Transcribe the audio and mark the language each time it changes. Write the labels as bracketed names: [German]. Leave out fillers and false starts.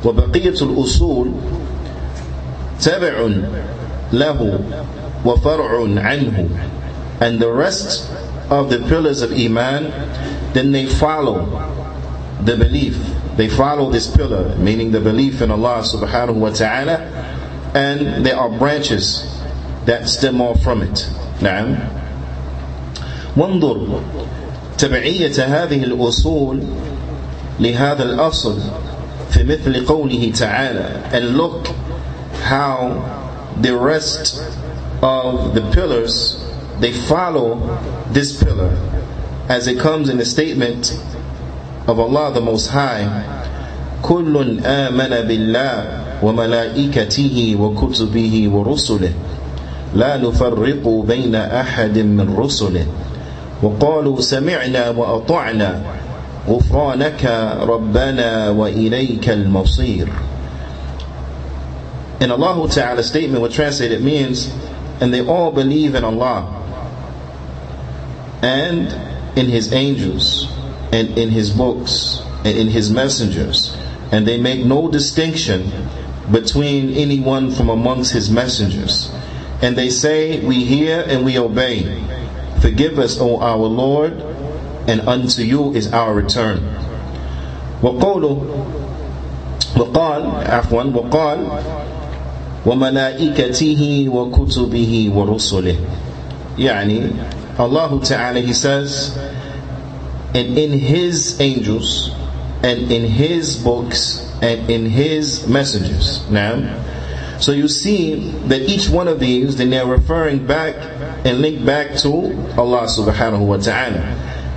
[Arabic] وَبَقِيَّةُ الْأُصُولِ تَبِعٌ لَهُ وَفَرْعٌ عَنْهُ. [English] And the rest of the pillars of Iman, then they follow the belief. They follow this pillar, meaning the belief in Allah subhanahu wa ta'ala. And there are branches that stem off from it. [Arabic] نعم. وانظر تبعية هذه الأصول لهذا الأصل في مثل قوله تعالى. [English] And look how the rest of the pillars, they follow this pillar, as it comes in the statement of Allah the Most High. [Arabic] كل آمن بالله وملائكته وكتبه ورسله لا نفرق بين أحد من رسله وقالوا سمعنا وأطعنا غفرانك ربنا وإليك المصير. [English] In Allah Ta'ala's statement, which translated means, and they all believe in Allah and in His angels and in His books and in His messengers, and they make no distinction between anyone from amongst His messengers. And they say, we hear and we obey. Forgive us, O our Lord, and unto you is our return. [Arabic] وقال وملائكته وكتبه ورسله. [English] يعني Allah Ta'ala, He says, and in His angels, and in His books, and in His messengers. Now, so you see that each one of these, then they're referring back and link back to Allah subhanahu wa ta'ala.